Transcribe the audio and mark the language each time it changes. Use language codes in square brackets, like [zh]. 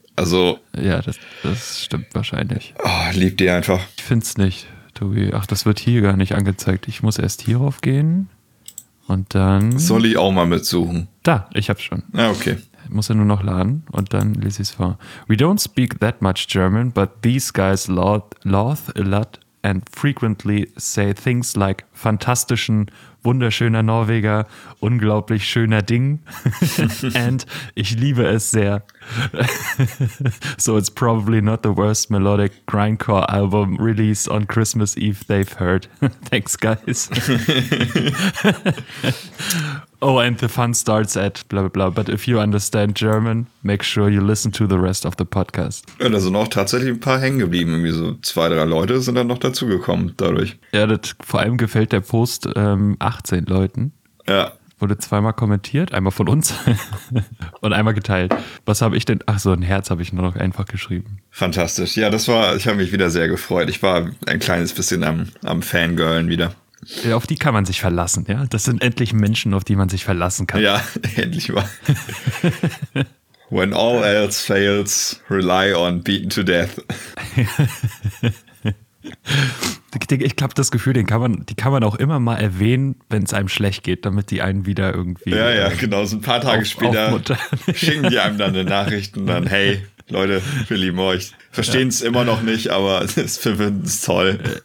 [de] Also ja, das stimmt wahrscheinlich. Oh, lieb die einfach. Ich find's nicht, Tobi. Ach, das wird hier gar nicht angezeigt. Ich muss erst hier rauf gehen und dann... Soll ich auch mal mitsuchen? Da, ich hab's schon. Ah, okay. Ich muss ja nur noch laden und dann lese ich's vor. [en] We don't speak that much German, but these guys loth a lot and frequently say things like fantastischen [de] wunderschöner Norweger, unglaublich schöner Ding. And ich liebe es sehr. [en] So it's probably not the worst melodic grindcore album release on Christmas Eve they've heard. Thanks, guys. Oh, and the fun starts at blah, blah, blah. But if you understand German, make sure you listen to the rest of the podcast. [de] Ja, da sind auch tatsächlich ein paar hängen geblieben. Irgendwie so zwei, drei Leute sind dann noch dazugekommen dadurch. Ja, das, vor allem gefällt der Post 18 Leuten. Ja. Wurde zweimal kommentiert, einmal von uns und einmal geteilt. Was habe ich denn? Ach so, ein Herz habe ich nur noch einfach geschrieben. Fantastisch. Ja, das war, ich habe mich wieder sehr gefreut. Ich war ein kleines bisschen am Fangirlen wieder. Ja, auf die kann man sich verlassen, ja. Das sind endlich Menschen, auf die man sich verlassen kann. Ja, endlich mal. [en] When all else fails, rely on beaten to death. [de] Ich glaube, das Gefühl, die kann man auch immer mal erwähnen, wenn es einem schlecht geht, damit die einen wieder irgendwie. Ja, ja, genau. So ein paar Tage später schicken die einem dann eine Nachricht und dann, hey, Leute, wir lieben euch. Verstehen es ja immer noch nicht, aber wir finden es toll.